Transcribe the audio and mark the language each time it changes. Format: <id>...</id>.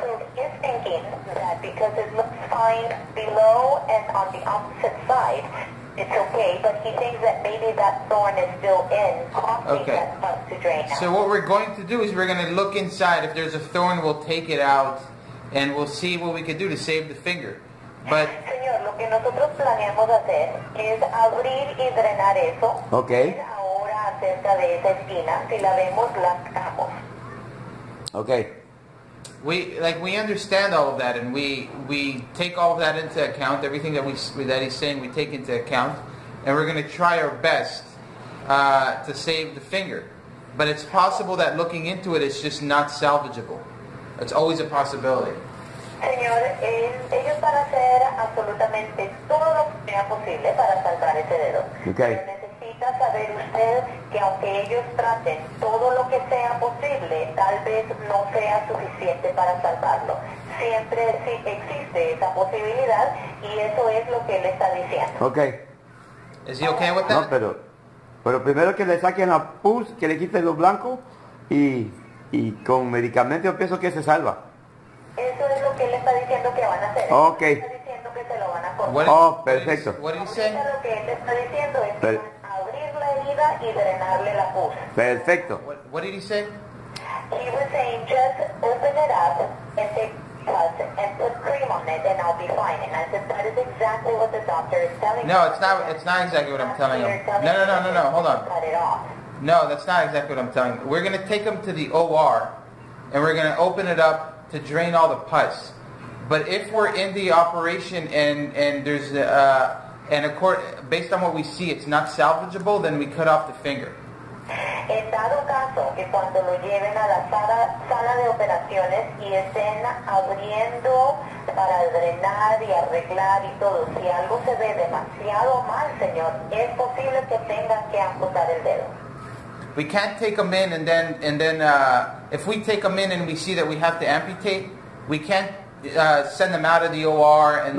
<en>So he's thinking that because it looks fine below and on the opposite side, it's okay. But he thinks that maybe that thorn is still in, okay, that's about to drain. So what we're going to do is we're going to look inside. If there's a thorn, we'll take it out. And we'll see what we can do to save the finger. But</en> <es>señor, lo que nosotros planeamos hacer es abrir y drenar eso.</es> <en>Okay.</en> <es>Ahora acerca de esa espina, si la vemos, la sacamos.</es> <en>Okay. We understand all of that, and we take all of that into account. Everything that he's saying, we take into account, and we're going to try our best to save the finger. But it's possible that looking into it is just not salvageable. It's always a possibility.</en> <es>Señor, ellos van a hacer absolutamente todo lo que sea posible para salvar ese dedo.</es> <en>Okay.</en> <es>Pero necesita saber usted que aunque ellos traten todo lo que sea posible, tal vez no sea suficiente para salvarlo. Siempre sí existe esa posibilidad y eso es lo que él está diciendo.</es> <en>Okay. Is he okay with that?</en> <es>No, pero primero que le saquen la pus, que le quiten lo blanco y con medicamento yo pienso que se salva. Eso es lo que él está diciendo que van a hacer.</es> <en>Okay.</en> <es>Él está diciendo que se lo van a cortar. Oh, perfecto.</es> <en>What did he say?</en> <es>Lo que él está diciendo es que van a abrir la herida y drenarle la pus. Perfecto.</es> <en>What did he say? He was saying, just open it up and take pus and put cream on it and I'll be fine. And I said, that is exactly what the doctor is telling me. No, it's not exactly what I'm telling him. No, hold on. Cut it off. No, that's not exactly what I'm telling you. We're going to take him to the OR, and we're going to open it up to drain all the pus. But if we're in the operation and there's and based on what we see, it's not salvageable, then we cut off the finger.</en> <es>En dado caso que cuando lo lleven a la sala de operaciones y estén abriendo para drenar y arreglar y todo, si algo se ve demasiado mal, señor, es posible que tengan que amputar el dedo.</es> <en>We can't take him in and then if we take him in and we see that we have to amputate, we can't send him out of the OR and</en>